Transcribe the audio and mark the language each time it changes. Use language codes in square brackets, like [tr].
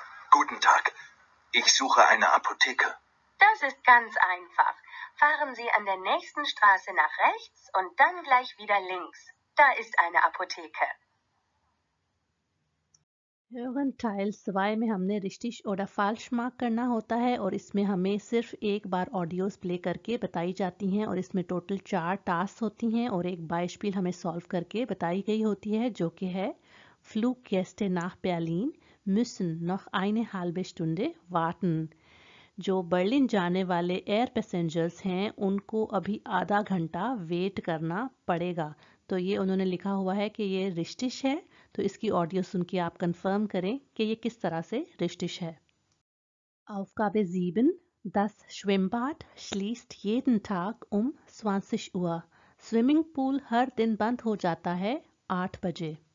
[de] Guten Tag. Ich suche eine Apotheke. Das ist ganz einfach. Fahren Sie an der nächsten Straße nach rechts und dann gleich wieder links. Da ist eine Apotheke. [hi] Hören Teil 2 में हमने richtig oder falsch mark करना होता है और इसमें हमें सिर्फ एक बार audios play करके बताई जाती हैं और इसमें total 4 tasks होती हैं और एक beispiel हमें solve करके बताई गई होती है जो कि है [de] Fluggäste nach Berlin müssen noch eine halbe Stunde warten. [hi] जो Berlin जाने वाले air passengers हैं उनको अभी आधा घंटा wait करना पड़ेगा. तो ये उन्होंने लिखा हुआ है कि ये richtig है. तो इसकी ऑडियो सुनके आप कंफर्म करें कि ये किस तरह से रिश्तिश है। [de] Aufgabe 7. Das Schwimmbad schließt jeden Tag um 20 Uhr. [hi] Swimming pool हर दिन बंद हो जाता है 8 बजे।